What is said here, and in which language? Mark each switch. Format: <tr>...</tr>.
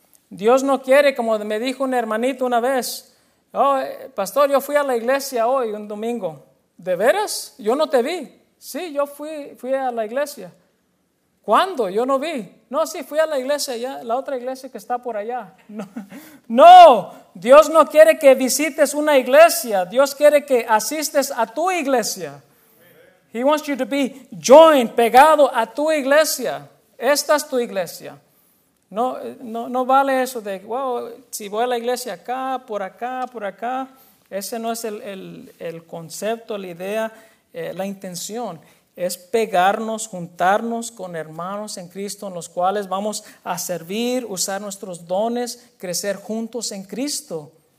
<es>Dios no quiere, como me dijo un hermanito una vez, oh, pastor, yo fui a la iglesia hoy, un domingo. ¿De veras? Yo no te vi. Sí, yo fui a la iglesia. ¿Cuándo? Yo no vi. No, sí, fui a la iglesia, ya, la otra iglesia que está por allá. No, Dios no quiere que visites una iglesia. Dios quiere que asistes a tu iglesia.</es> <en>He wants you to be joined,</en> <es>pegado a tu iglesia. Esta es tu iglesia. No vale eso de, wow, si voy a la iglesia acá, por acá, por acá. Ese no es el concepto, la idea, la intención. Es pegarnos, juntarnos con hermanos en Cristo en los cuales vamos a servir, usar nuestros dones, crecer juntos en Cristo.</es>